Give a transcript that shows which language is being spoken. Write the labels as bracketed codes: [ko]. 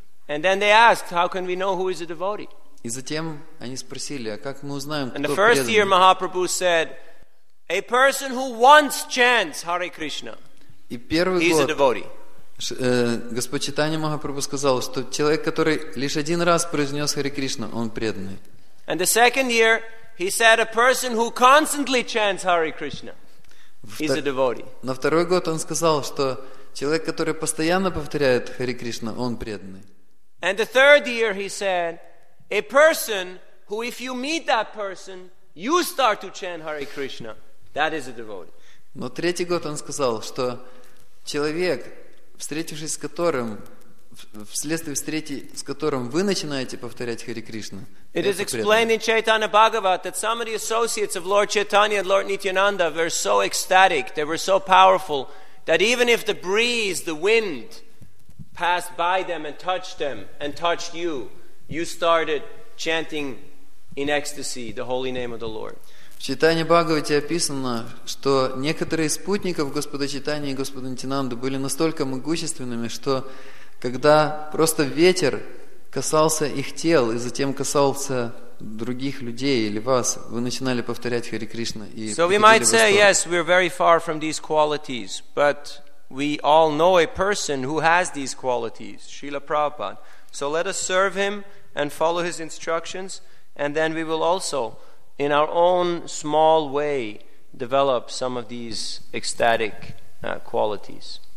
[en] And then they asked, how can we know who is a devotee? [ru] И затем они спросили: а как мы узнаем, кто преданный? [en] And the first year Mahaprabhu said, a person who once chants Hare Krishna, he's a devotee. [ru] Господь Чайтанья Махапрабху сказал, что человек, который лишь один раз произнес Хари Кришна, он преданный. [en] And the second year he said, a person who constantly chants Hare Krishna, he's a devotee. [ru] На второй год он сказал, что человек, который постоянно повторяет Хари Кришна, он преданный. [en] And the third year he said, a person who, if you meet that person, you start to chant Hare Krishna, that is a devotee. [ru] Но третий год он сказал, что человек, встретившись с которым, вследствие встречи с которым вы начинаете повторять Хари Кришна. [en] It is explained in Chaitanya Bhagavat that some of the associates of Lord Chaitanya and Lord Nityananda were so ecstatic, they were so powerful, that even if the breeze, the wind, passed by them and touched you, you started chanting in ecstasy the holy name of the Lord. [ru] В Чайтанье Бхагавате описано, что некоторые из спутников Господа Чайтаньи и Господа Нитинанды были настолько могущественными, что когда просто ветер касался их тел и затем касался других людей или вас, вы начинали повторять Хари Кришна. И [en] so we might say, yes, we're very far from these qualities, but we all know a person who has these qualities, Srila Prabhupada. So let us serve him and follow his instructions, and then we will also, in our own small way, develop some of these ecstatic qualities.